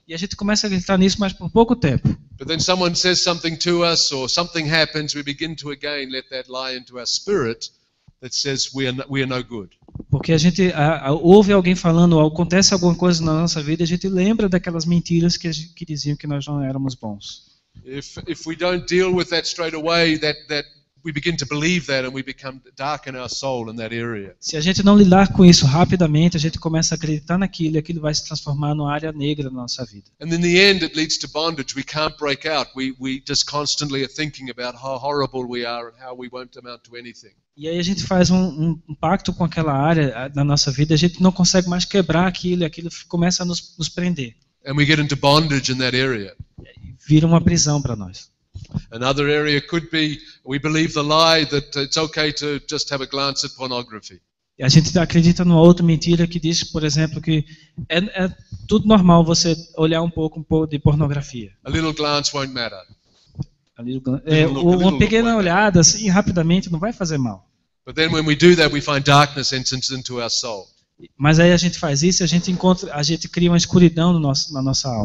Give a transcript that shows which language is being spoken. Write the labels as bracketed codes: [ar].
[pt] E a gente começa a acreditar nisso, mas por pouco tempo. [en] But then someone says something to us or something happens, we begin to again let that lie into our spirit that says we are no good. [pt] Porque a gente ouve alguém falando ou acontece alguma coisa na nossa vida, a gente lembra daquelas mentiras que diziam que nós não éramos bons. [en] If we don't deal with that straight away, that we begin to believe that and we become dark in our soul in that area. [pt] Se a gente não lidar com isso rapidamente, a gente começa a acreditar naquilo e aquilo vai se transformar numa área negra na nossa vida. [en] And in the end it leads to bondage. We can't break out. We just constantly are thinking about how horrible we are and how we won't amount to anything. [pt] E aí a gente faz um pacto com aquela área da nossa vida, a gente não consegue mais quebrar aquilo e aquilo começa a nos prender. [en] And we get into bondage in that area. [pt] Vira uma prisão para nós. [en] Another area could be we believe the lie that it's okay to just have a glance at pornography. [pt] E a gente acredita numa outra mentira que diz, por exemplo, que é tudo normal você olhar um pouco de pornografia. [en] A little glance won't matter. [pt] Uma pequena olhada assim rapidamente não vai fazer mal. [en] But then when we do that we find darkness enters into our soul. [pt] Mas aí a gente faz isso, a gente cria uma escuridão na nossa alma.